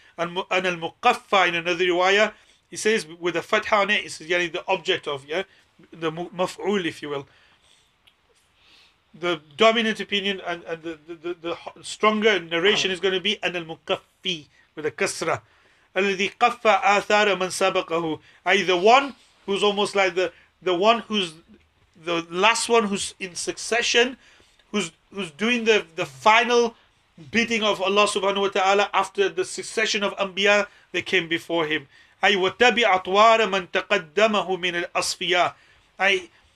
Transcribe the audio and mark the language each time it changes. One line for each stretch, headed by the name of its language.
English: And anil muqaffa, in another riwayah, he says, with a fatha on it, he says, yani the object of, yeah, the maf'ul, if you will. The dominant opinion and the stronger narration is going to be anil muqaffi, with a kasra.
Arabic: الذي قفى آثار من سبقه, i.e.
English: the one who's almost like the one who's the last one who's in succession, who's doing the final bidding of Allah subhanahu wa ta'ala after the succession of anbiya that came before him.
Arabic: اي وتبع أطوار من تقدمه من الأصفياء, i.e.